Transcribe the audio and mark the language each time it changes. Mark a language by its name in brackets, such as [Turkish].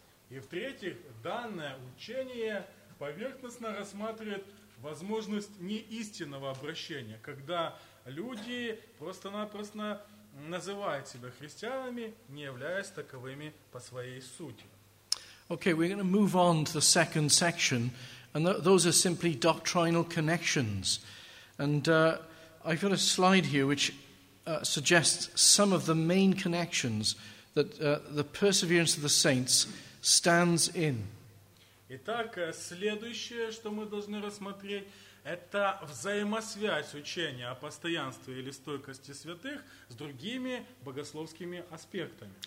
[Russian] И в-третьих, данное учение поверхностно рассматривает возможность неистинного обращения, когда люди просто-напросто называют себя христианами, не являясь таковыми по своей сути. [English] Okay, we're going to move on to the second section, and those are simply doctrinal connections. And I've got a slide here which suggests some of the main connections that the perseverance of the saints stands in. [Russian] Итак, следующее, что мы должны рассмотреть, это взаимосвязь учения о постоянстве или стойкости святых с другими богословскими аспектами.